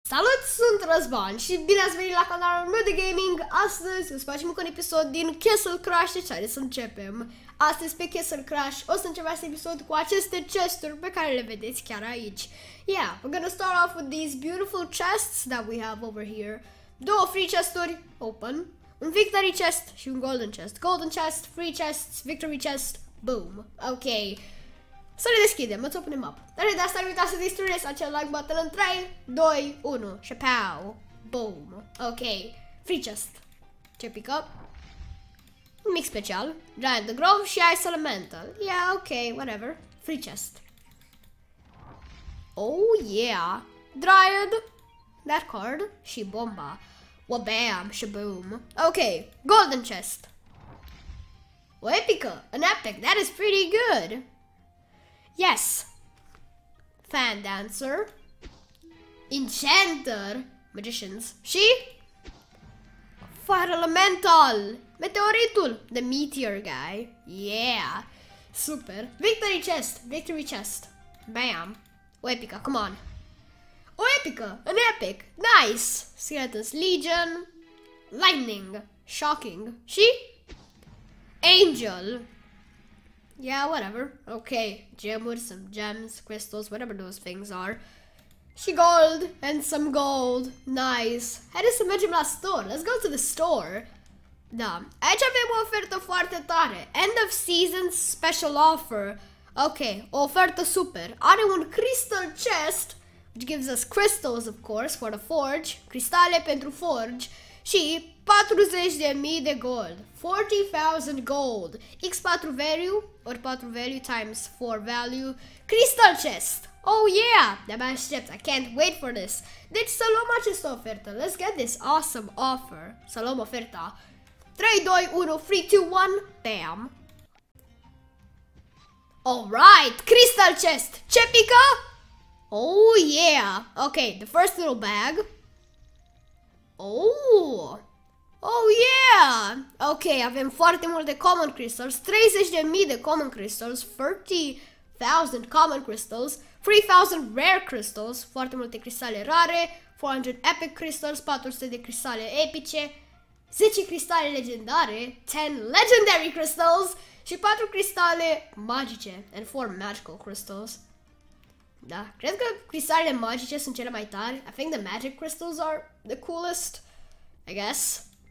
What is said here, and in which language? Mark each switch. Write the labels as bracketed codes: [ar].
[ro] Salut, sunt Răzvan și bine ați venit la canalul meu de gaming. Astăzi îți facem un episod din Castle Crash, deci hai să începem. Astăzi pe Castle Crash o să încep acest episod cu aceste chesturi pe care le vedeți chiar aici. [en] Yeah, we're gonna start off with these beautiful chests that we have over here. [ro] Două free chesturi, open. [en] Un victory chest și un golden chest. Golden chest, free chest, victory chest, boom. [ro] Ok, să le deschidem, îți opunem up. Dar de asta nu uita să distrugeți acel like button în 3, 2, 1. Și pow, boom. Ok, free chest. Ce pică? Nimic special. [en] Giant the Grove și Ice Elemental. Yeah, ok, whatever. Free chest. Oh, yeah. Dryad, that card, [ro] și bomba. [en] Wabam, și boom. Ok, golden chest. [ro] O epică, [en] an epic, that is pretty good. Yes. Fan Dancer. Enchanter. Magicians. [ro] Și Fire Elemental. Meteoritul. [en] The Meteor Guy. Yeah. Super. Victory Chest. Victory Chest. Bam. [ro] O epică. [en] Come on. O epică. An epic. Nice. Skeletons Legion. Lightning. Shocking. Și Angel. Yeah, whatever. Okay, gemuri, some gems, crystals, whatever those things are. She gold and some gold. Nice. [ro] Haideți să mergem la store. [en] Let's go to the store. [ro] Da. Aici avem o ofertă foarte tare. [en] End of season special offer. Okay, [ro] o ofertă super. [en] Are un crystal chest, which gives us crystals, of course, for the forge. [ro] Cristale pentru forge. Și 40.000 de gold. 40.000 gold. [en] X4 value, or 4 value times 4 value. Crystal chest. Oh yeah, [ro] de-abia aștept. [en] I can't wait for this. [ro] Deci să luăm această ofertă. [en] Let's get this awesome offer. [ro] Să luăm oferta. [en] 3, 2, 1, 3, 2, 1. Bam. Alright, crystal chest. [ro] Ce pică? [en] Oh yeah. Ok, the first little bag. Oh, oh yeah, ok, [ro] avem foarte multe common crystals, 30.000 de common crystals, 40.000 common crystals, 3.000 rare crystals, foarte multe cristale rare, 400 epic crystals, 400 de cristale epice, 10 cristale legendare, [en] 10 legendary crystals [ro] și 4 cristale magice [en] and 4 magical crystals. [ro] Da, cred că cristalele magice sunt cele mai tari. [en] I think the magic crystals are the coolest, I guess.